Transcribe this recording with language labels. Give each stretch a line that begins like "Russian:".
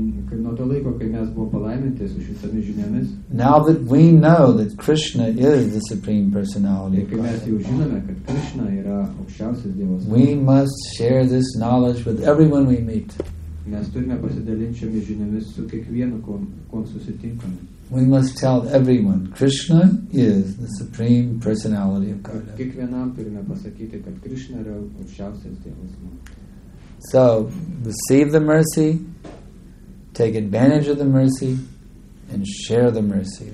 Lithuanian: kad nuo to laiko, kai mes buvome palaiminti su šitomis žiniomis,
English: now that we know that Krishna is the Supreme Personality,
Lithuanian: kai mes jau žinome, kad Krishna yra aukščiausias Dievo asmuo,
English: we must share this knowledge with everyone we meet.
Lithuanian: Mes turime pasidalinti šiomis žiniomis su kiekvienu, kuo susitinkame.
English: We must tell everyone Krishna is the Supreme Personality of Godhead.
Lithuanian: Kiekvienam turime pasakyti, kad Krishna yra aukščiausias Dievas.
English: So, receive the mercy, take advantage of the mercy, and share the mercy.